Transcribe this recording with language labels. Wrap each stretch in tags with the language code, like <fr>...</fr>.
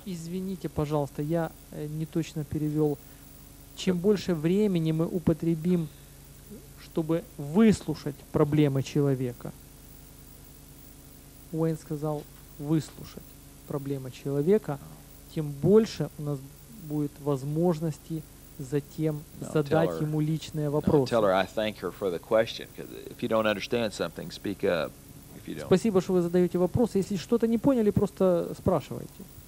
<ru>Извините, пожалуйста, я не точно перевёл. Чем больше времени мы употребим, чтобы выслушать проблемы человека. Уэйн сказал выслушать проблемы человека, тем больше у нас будет возможности затем задать ему личные вопросы.</ru> <en>No, tell her I thank her for the question, because if you don't understand something, speak up.</en> <ru>Спасибо, что вы задаете вопрос. Если что-то не поняли, просто спрашивайте.</ru>